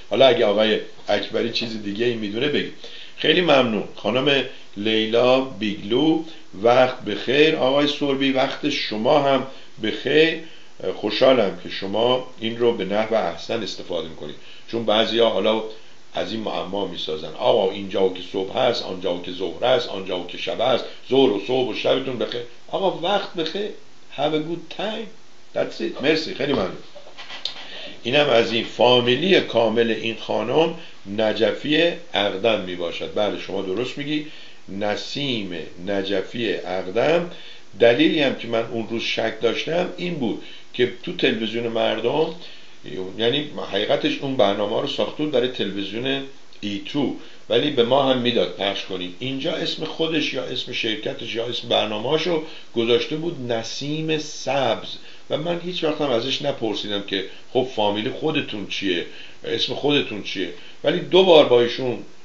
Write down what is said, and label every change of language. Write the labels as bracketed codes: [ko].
[fa] حالا اگه آقای اکبری چیز دیگه این میدونه بگید. خیلی ممنون خانم لیلا بیگلو، وقت بخیر. آقای سوربی، وقت شما هم بخیر. خوشحالم که شما این رو به نحو احسن استفاده میکنید، چون بعضی ها حالا از این معما میسازن، آقا اینجا و که صبح هست، آنجا و که ظهر هست، آنجا و که شب هست، ظهر و صبح و شبتون بخیر. آقا وقت بخیر، [en] have a good time, that's it. [fa] مرسی، خیلی ممنون. اینم از این. فامیلی کامل این خانم نجفی اقدم میباشد. بله، شما درست میگی، نسیم نجفی اقدم. دلیلی هم که من اون روز شک داشتم این بود که تو تلویزیون مردم، یعنی حقیقتش اون برنامه رو ساختون برای تلویزیون E2، ولی به ما هم میداد پخش کنیم، اینجا اسم خودش یا اسم شرکتش یا اسم برنامهاشو گذاشته بود نسیم سبز، و من هیچ وقت هم ازش نپرسیدم که خب فامیلی خودتون چیه، اسم خودتون چیه. ولی دو بار با ایشون